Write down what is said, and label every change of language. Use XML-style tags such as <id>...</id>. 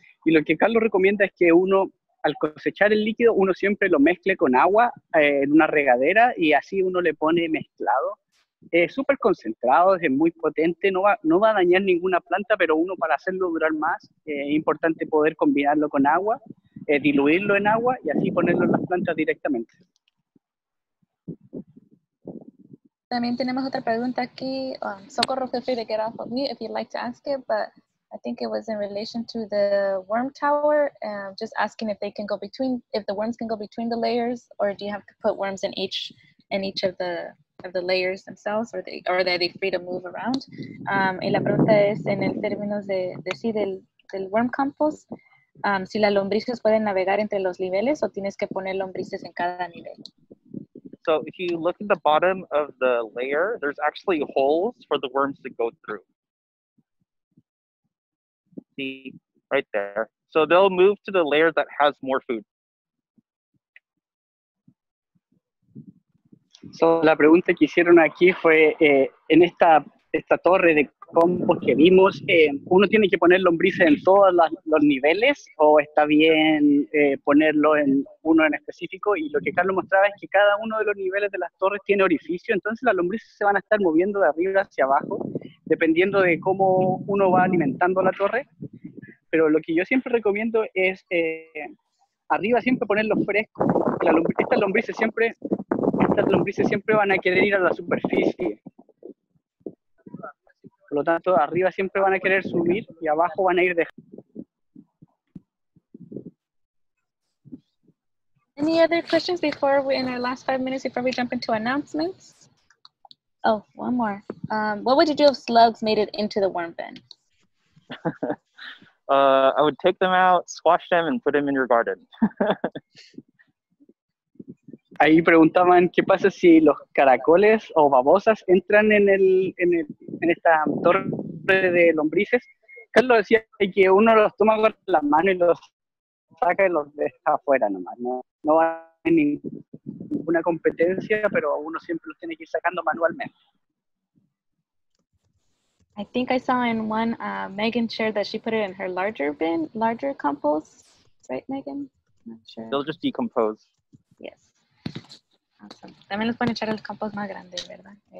<es>Y lo que Carlos recomienda es que uno, al cosechar el líquido, uno siempre lo mezcle con agua en una regadera y así uno le pone mezclado. Es súper concentrado, es muy potente, no va a dañar ninguna planta, pero uno para hacerlo durar más, es importante poder combinarlo con agua, diluirlo en agua y así ponerlo en las plantas directamente. También tenemos otra pregunta aquí.</es> <en>Socorro, feel free to get off of mute if you'd like to ask it, but I think it was in relation to the worm tower, just asking if they can go between, if the worms can go between the layers, or do you have to put worms in each of the layers themselves, or are they free to move around?</en> <es>Y la pregunta es en el términos del worm compost, si las lombrices pueden navegar entre los niveles o tienes que poner lombrices en cada nivel.</es> <en>So if you look at the bottom of the layer, there's actually holes for the worms to go through. See, right there. So they'll move to the layer that has more food.</en> <es>So la pregunta que hicieron aquí fue, en esta torre de compost que vimos, ¿uno tiene que poner lombrices en todos los niveles o está bien ponerlo en uno en específico? Y lo que Carlos mostraba es que cada uno de los niveles de las torres tiene orificio, entonces las lombrices se van a estar moviendo de arriba hacia abajo, dependiendo de cómo uno va alimentando la torre. Pero lo que yo siempre recomiendo es arriba siempre ponerlo fresco. Estas lombrices siempre van a querer ir a la superficie. Por lo tanto, arriba siempre van a querer subir y abajo van a ir dejando.</es> <en>Any other questions before we, in our last 5 minutes, before we jump into announcements? Oh, one more. What would you do if slugs made it into the worm bin? I would take them out, squash them, and put them in your garden.</en> <es>Ahí preguntaban qué pasa si los caracoles o babosas entran en esta torre de lombrices. Carlos decía que uno los toma con la mano y los saca y los deja afuera nomás. No, no hay ninguna competencia, pero uno siempre los tiene que ir sacando manualmente.</es> <en>I think I saw in one, Megan shared that she put it in her larger bin, larger compost. Right, Megan? Not sure. They'll just decompose. Yes. Awesome.</en> <es>También les pueden echar el compost más grande, ¿verdad?</es>